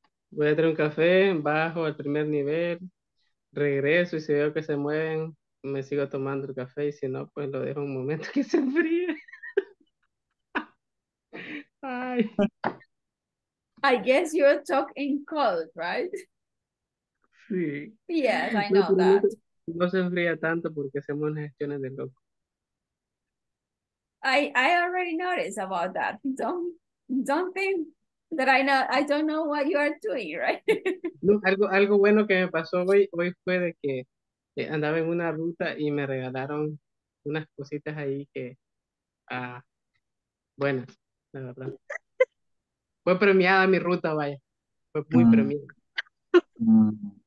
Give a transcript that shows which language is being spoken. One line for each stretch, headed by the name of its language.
Spanish: Voy a tener un café, bajo al primer nivel, regreso y si veo que se mueven, me sigo tomando el café y si no, pues lo dejo un momento que se enfríe. Ay.
English: I guess you are talking cold, right?
Spanish: Sí.
English: Yes, I know that.
Spanish: No se enfría tanto porque hacemos gestiones de loco.
English: I already noticed about that. Don't think that I don't know what you are doing, right?
Spanish: No, algo bueno que me pasó hoy fue de que andaba en una ruta y me regalaron unas cositas ahí que buenas, la verdad. Fue premiada mi ruta, vaya. Fue muy premiada.